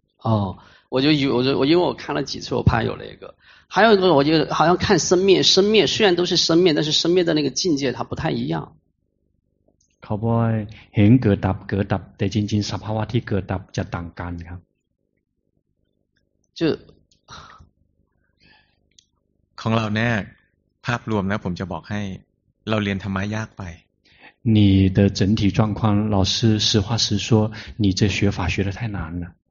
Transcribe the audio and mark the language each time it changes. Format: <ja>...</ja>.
<zh>哦我因为我看了几次我怕有那个还有一个我就好像看生灭虽然都是生灭但是生灭的那个境界它不太一样</zh> <th>เขาบอกว่าเห็นเกิดดับแต่จริงๆสภาวะที่เกิดดับจะต่างกันครับ จุ ของเราแน่ภาพรวมนะผมจะบอกให้เราเรียนธรรมะยากไป</th> <zh>你的整体状况老师实话实说你这学法学得太难了</zh>